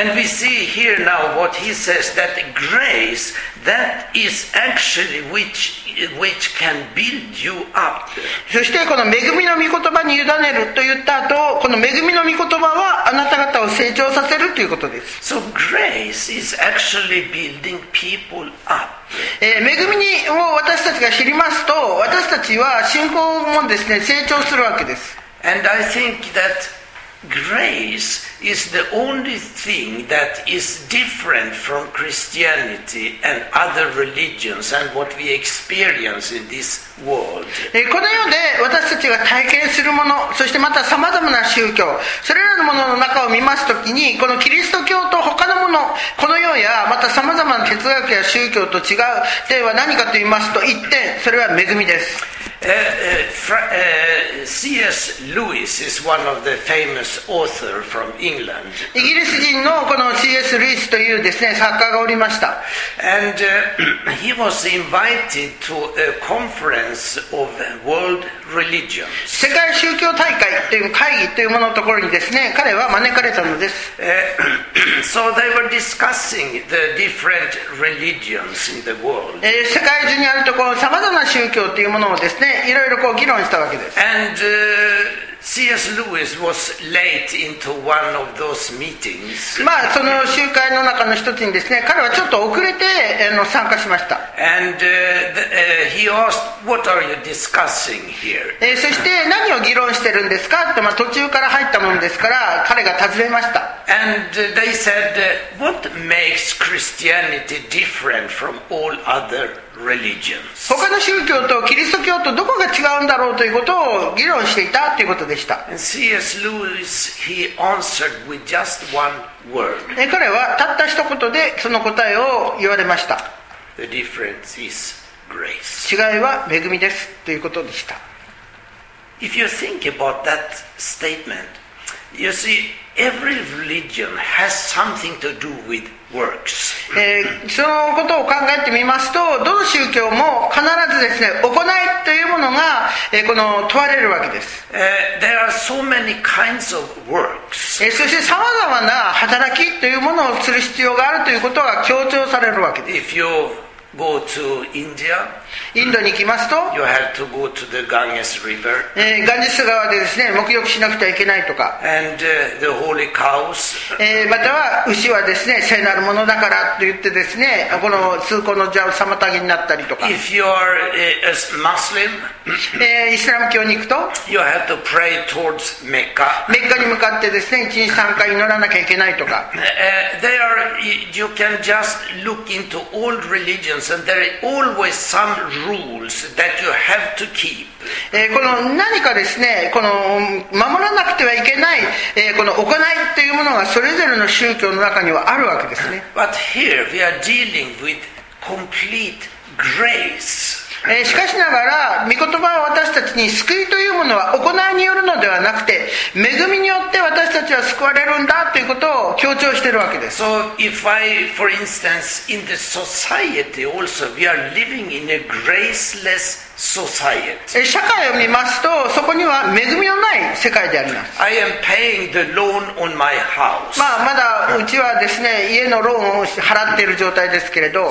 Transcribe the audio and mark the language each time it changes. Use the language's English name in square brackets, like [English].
[English] And we see here now what he says that grace that is actually which can build you up. [Japanese] そしてこの恵みの御言葉に委ねると言った後、この恵みの御言葉はあなた方を成長させるということです。 [English] So grace is actually building people up. [Japanese] 恵みを私たちが知りますと、私たちは信仰もですね成長するわけです。 [English] And I think that Grace is the only thing that is different from Christianity and other religions and what we experience in this world. [Japanese] この世で私たちが体験するもの、そしてまたさまざまな宗教、それらのものの中を見ますときに、このキリスト教と他のもの、この世やまたさまざまな哲学や宗教と違う点は何かと言いますと、一点、それは恵みです。 [English] C.S. Lewis is one of the famous authors from England. [Japanese] イギリス人のこの C.S. Lewis というですね、作家がおりました。 [English] And he was invited to a conference of world religions. [Japanese] 世界宗教大会という会議というもののところにですね、彼は招かれたのです。 [English] So they were discussing the different religions in the world. [Japanese] 世界中にあるところ、さまざまな宗教というものをですね。いろいろこう議論したわけです。 [English] And, C.S. Lewis was late into one of those meetings. [Japanese] まあその集会の中の一つにですね、彼はちょっと遅れて参加しました。 [English] And he asked, "What are you discussing here?" [Japanese] そして何を議論してるんですかって、まあ、途中から入ったもんですから彼が尋ねました。 [English] And they said, "What makes Christianity different from all other?" Religions. [Japanese] 他の宗教とキリスト教とどこが違うんだろうということを議論していたということでした。 [English] C.S. Lewis, he answered with just one word. [Japanese] 彼はたった一言でその答えを言われました。 [English] The difference is grace. [Japanese] 違いは恵みですということでした。 [English] If you think about that statement, you see, every religion has something to do with works. [Japanese] そのことを考えてみますと、どの宗教も必ずですね、行いというものが、この問われるわけです。 [English] There are so many kinds of works. [Japanese] そしてさまざまな働きというものをする必要があるということが強調されるわけです。 [English] If you go to India, [Japanese] インドに行きますと、 [English] you have to go to the Ganges River. [Japanese] ガンジス川でですね、沐浴しなくてはいけないとか、 [English] and the holy cows. [Japanese] または牛はですね、聖なるものだからと言ってですね、この通行の邪を妨げになったりとか。 [English] If you are a Muslim, [Japanese] イスラム教に行くと、 [English] you have to pray towards Mecca. [Japanese] メッカに向かってですね、一日三回祈らなきゃいけないとか。 [English] They are, you can just look into all religions, and there are always some. Rules that you have to keep. [Japanese] この何かですね、この守らなくてはいけない、この行いというものがそれぞれの宗教の中にはあるわけですね。 [English] But here we are dealing with complete grace. [Japanese] しかしながら、御言葉は私たちに救いというものは行いによるのではなくて、恵みによって私たちは救われるんだということを強調しているわけです。 [English] So if I, for instance, in the society also, we are living in a graceless society. [Japanese] 社会を見ますと、そこには恵みのない世界であります。 [English] I am paying the loan on my house. [Japanese] まあ、まだうちはですね、家のローンを払っている状態ですけれど、